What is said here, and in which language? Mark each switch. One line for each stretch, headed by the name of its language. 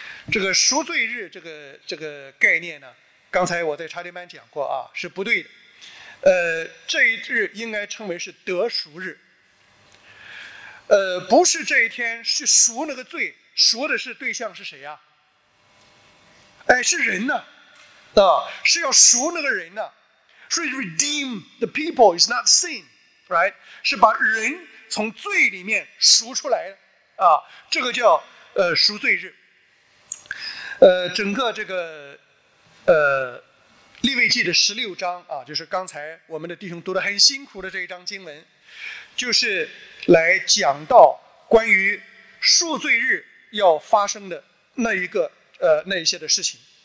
Chinese: 这个赎罪日这个概念呢，刚才我在查理班讲过啊，是不对的。这一日应该称为是得赎日。不是这一天是赎那个罪，赎的是对象是谁啊？哎，是人呢，是要赎那个人呢。
English: 所以 redeem the people is not sin, right?
Chinese: 是把人从罪里面赎出来的啊，这个叫赎罪日。整个这个利未记的十六章啊，就是刚才我们的弟兄读得很辛苦的这一章经文，就是来讲到关于赎罪日要发生的那一个那一些的事情。